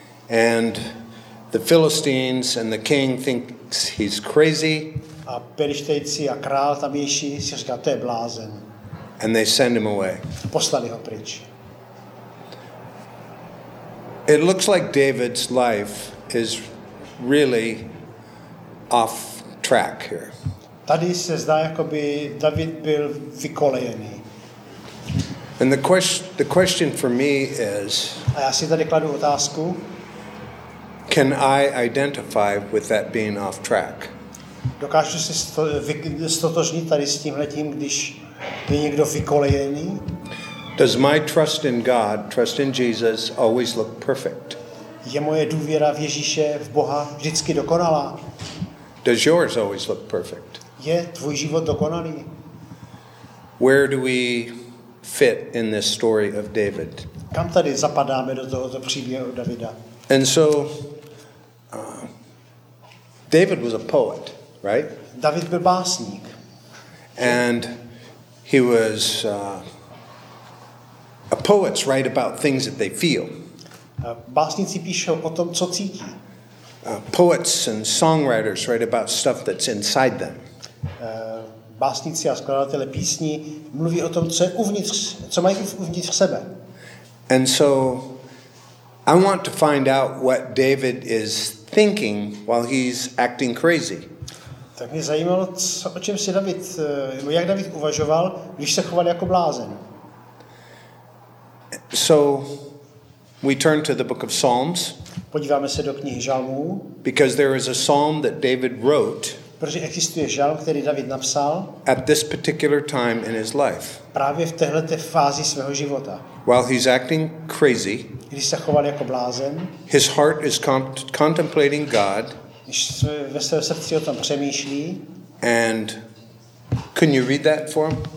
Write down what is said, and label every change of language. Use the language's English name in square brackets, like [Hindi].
[English] And the Philistines and the king thinks he's crazy. [Czech] A Perištejci a král tamější si říká, to je blázen. [English] And they send him away. [Czech] Poslali ho pryč. [English] It looks like David's life is really off track here. [Czech] Tady se zdá, jako by David byl vykolejený. [English] And the question for me is, [Czech] a já si tady kladu otázku, [English] can I identify with that being off track? [Czech] Dokážu se ztotožnit tady s tímhletím, když Je někdo vykolejený? [English] Does my trust in God, trust in Jesus, always look perfect? [Czech] Je moje důvěra v Ježíše, v Boha, vždycky dokonalá? [English] Does yours always look perfect? [Czech] Je tvůj život dokonalý? [English] Where do we fit in this story of David? [Czech] Kam tady zapadáme do tohoto příběhu Davida? [English] And so, David was a poet, right? [Czech] David byl básník. [English] And he was a poets write about things that they feel. [Czech] Básníci píšou o tom, co cítí. [English] Poets and songwriters write about stuff that's inside them. [Czech] Básníci a skladatelé písní mluví o tom, co je uvnitř, co mají uvnitř sebe. [English] And so I want to find out what David is thinking while he's acting crazy. [Czech] Tak mě zajímalo, o čem si David, jak David uvažoval, když se choval jako blázen. [English] So we turn to the book of Psalms. [Czech] Podíváme se do knihy Žalmů. [English] Because there is a psalm that David wrote. [Czech] Protože existuje žalm, který David napsal. [English] At this particular time in his life. [Czech] Právě v téhleté fázi svého života. [English] While he's acting crazy. [Czech] Když se choval jako blázen. [English] His heart is contemplating God. [Czech] Když ve své srdci o tom přemýšlí. [English] And can you read that for him?